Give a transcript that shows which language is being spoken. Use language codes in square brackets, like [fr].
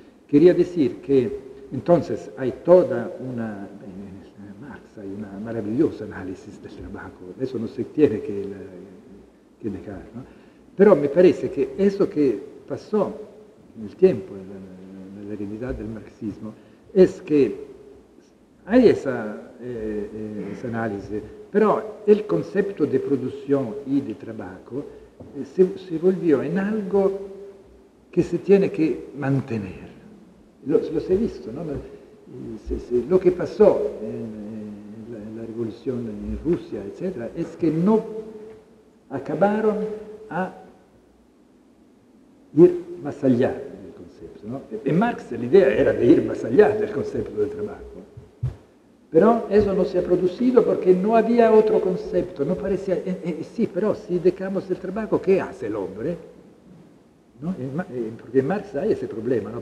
[es] Quería decir que entonces hay toda una, en Marx hay una maravillosa análisis del trabajo, eso no se tiene que negar, ¿no? [it] Pero me parece que eso que pasó nel tempo, nella realtà del marxismo, è che hai questa analisi, però il concetto di produzione e di lavoro si evolviò in algo che si tiene che mantenere. Lo si è visto, no? Lo che passò la rivoluzione in Russia, eccetera, è che non acabaron a ir más allá. [es] ¿No? E Marx l'idea era di ir más allá del concepto del trabajo, però eso no se ha producido perché non había otro concepto, no parecía, sí, però si dejamos el trabajo, ¿qué hace el hombre? ¿No? Porque Marx ha ese problema, ¿no?